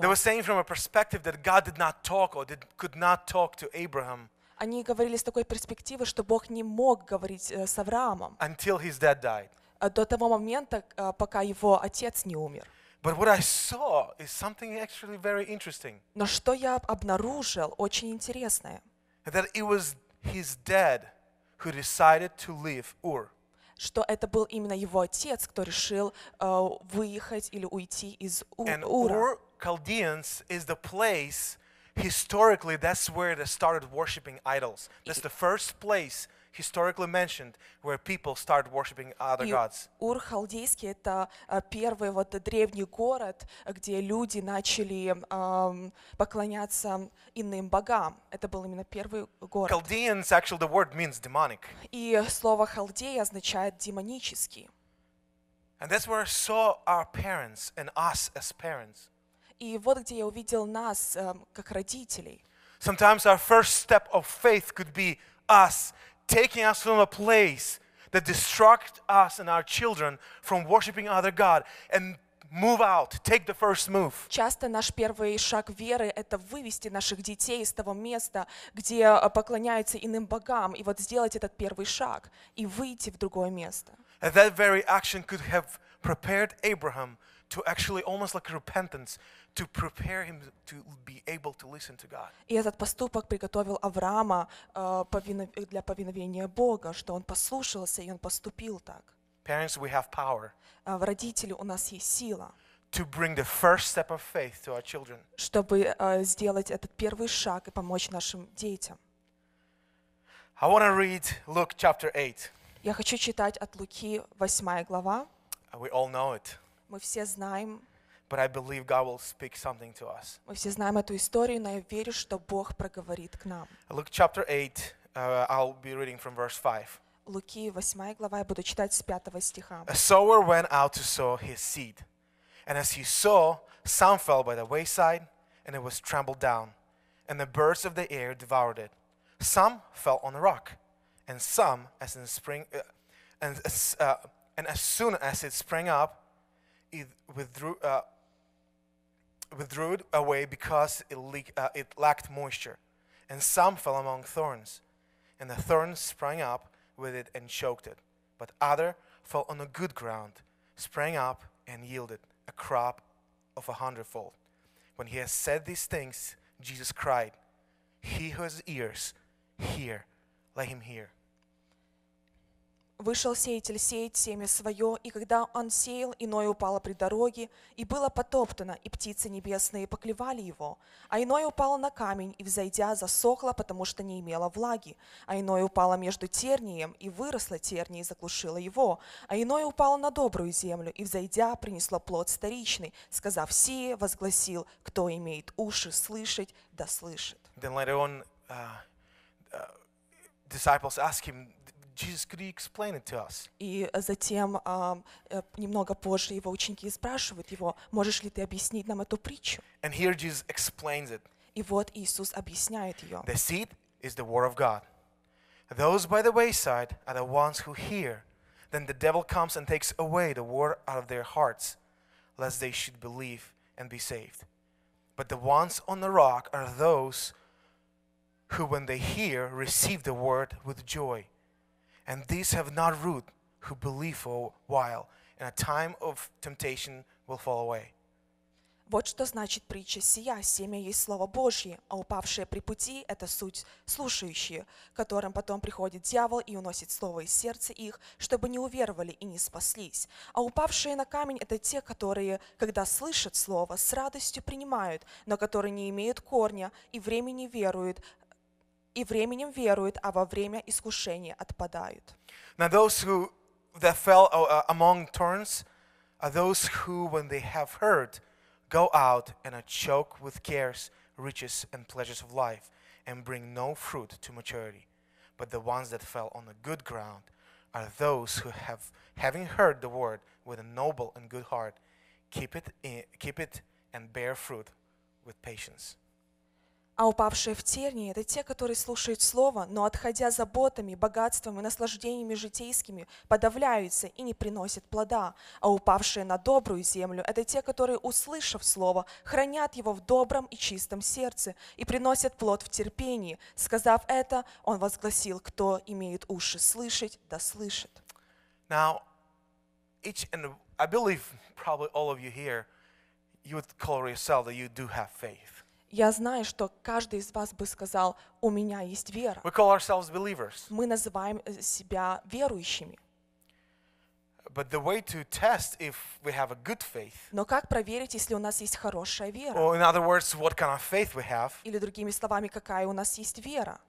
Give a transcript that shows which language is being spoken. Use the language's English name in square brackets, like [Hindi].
[English] They were saying from a perspective that God did not talk or could not talk to Abraham. [Russian] Они говорили с такой перспективы, что Бог не мог говорить с Авраамом. [English] Until his dad died. [Russian] До того момента, пока его отец не умер. [English] But what I saw is something actually very interesting. [Russian] Но что я обнаружил, очень интересное. [English] That it was his dad who decided to leave Ur. [Russian] Что это был именно его отец, кто решил выехать или уйти из Ура. [English] And Ur, Chaldeans, is the place, historically, that's where they started worshiping idols. That's the first place historically mentioned where people started worshiping other gods. [Russian] Ур халдейский это первый вот древний город, где люди начали поклоняться иным богам. Это был именно первый город. [English] Chaldeans, actually the word means demonic. [Russian] И слово халдей означает демонический. [English] And that's where I saw our parents and us as parents. [Russian] И вот где я увидел нас как родителей. [English] Sometimes our first step of faith could be us taking us from a place that distracts us and our children from worshiping other God and move out, take the first move. [Russian] Часто наш первый шаг веры это вывести наших детей из того места, где поклоняются иным богам, и вот сделать этот первый шаг и выйти в другое место. [English] And that very action could have prepared Abraham to actually almost like repentance, to prepare him to be able to listen to God. [Russian] И этот поступок приготовил Авраама для повиновения Бога, что он послушался и он поступил так. [English] Parents, we have power. [Russian] В родителях у нас есть сила. [English] To bring the first step of faith to our children. [Russian] Чтобы сделать этот первый шаг и помочь нашим детям. [English] I want to read Luke chapter 8. [Russian] Я хочу читать от Луки 8 глава. [English] We all know it. [Russian] Мы все знаем. [English] But I believe God will speak something to us. [Russian] Мы все знаем эту историю, но я верю, что Бог проговорит к нам. [English] Luke chapter 8, I'll be reading from verse 5. [Russian] Луки 8 глава, я буду читать с 5 стиха. [English] A sower went out to sow his seed. And as he sowed, some fell by the wayside, and it was trampled down. And the birds of the air devoured it. Some fell on a rock. And some, as in spring, and as soon as it sprang up, it withdrew away because it lacked moisture. And some fell among thorns, and the thorns sprang up with it and choked it. But other fell on a good ground, sprang up and yielded a crop of 100-fold. When he had said these things, Jesus cried, "He who has ears, hear! Let him hear." [Russian] Вышел сеятель сеять семя свое, и когда он сеял, иное упало при дороге, и было потоптано, и птицы небесные поклевали его. А иное упало на камень, и, взойдя, засохло, потому что не имело влаги. А иное упало между тернием, и выросло терние, и заглушило его. А иное упало на добрую землю, и, взойдя, принесло плод вторичный, сказав сие, возгласил, кто имеет уши слышать, да слышит. [English] Then later on, disciples ask him, Jesus, could you explain it to us? [Russian] И затем немного позже его ученики спрашивают его, можешь ли ты объяснить нам эту притчу? [English] And here Jesus explains it. [Russian] И вот Иисус объясняет ее. [English] The seed is the word of God. Those by the wayside are the ones who hear. Then the devil comes and takes away the word out of their hearts, lest they should believe and be saved. But the ones on the rock are those who, when they hear, receive the word with joy. And these have not root, who believe for a while, and a time of temptation will fall away. [Russian] Вот что значит притча сия, семя есть Слово Божье, а упавшее при пути – это суть слушающие, которым потом приходит дьявол и уносит слово из сердца их, чтобы не уверовали и не спаслись. А упавшие на камень – это те, которые, когда слышат слово, с радостью принимают, но которые не имеют корня и времени веруют, и временем веруют, а во время искушения отпадают. [English] Now those who that fell among thorns are those who, when they have heard, go out and are choked with cares, riches, and pleasures of life, and bring no fruit to maturity. But the ones that fell on the good ground are those who have, having heard the word with a noble and good heart, keep it and bear fruit with patience. [Russian] А упавшие в тернии – это те, которые слушают слово, но, отходя заботами, богатствами и наслаждениями житейскими, подавляются и не приносят плода. А упавшие на добрую землю – это те, которые, услышав слово, хранят его в добром и чистом сердце и приносят плод в терпении. Сказав это, он возгласил, кто имеет уши слышать, да слышит. [English] Now, each and I believe probably all of you here, you would call yourself that you do have faith. [Russian] Я знаю, что каждый из вас бы сказал, у меня есть вера. [English] We call ourselves believers. [Russian] Мы называем себя верующими. [English] But the way to test if we have a good faith, [Russian] но как проверить, если у нас есть хорошая вера? [English] Or in other words, what kind of faith we have, [Russian] или другими словами, какая у нас есть вера?